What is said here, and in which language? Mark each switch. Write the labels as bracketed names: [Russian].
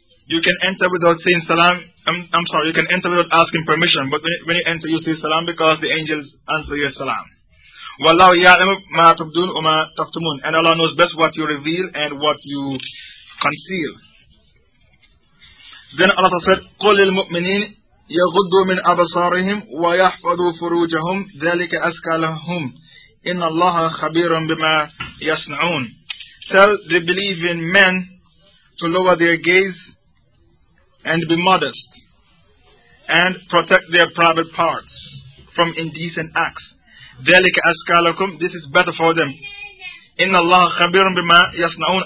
[English] You can enter without saying salam. I'm sorry, you can enter without asking permission. But when you enter, you say salam because the angels answer your salam. [Arabic] Wallahu ya'lamu ma tubdun wa ma taktumun. [English] And Allah knows best what you reveal and what you conceal. Then Allah said, [Arabic] قُلْ لِلْمُؤْمِنِينَ يَغُدُّوا مِنْ أَبَصَارِهِمْ وَيَحْفَظُوا فُرُوجَهُمْ ذَلِكَ أَزْكَى لَهُمْ إِنَّ اللَّهَ خَبِيرٌ بِمَا يصنعون. [English] Tell the believing men to lower their gaze and be modest and protect their private parts from indecent acts. [Arabic] ذَلِكَ أَزْكَى لَكُمْ. [English] This is better for them. [Arabic] إِنَّ اللَّهَ خَبِيرٌ بِمَا يَصْنَعُونَ.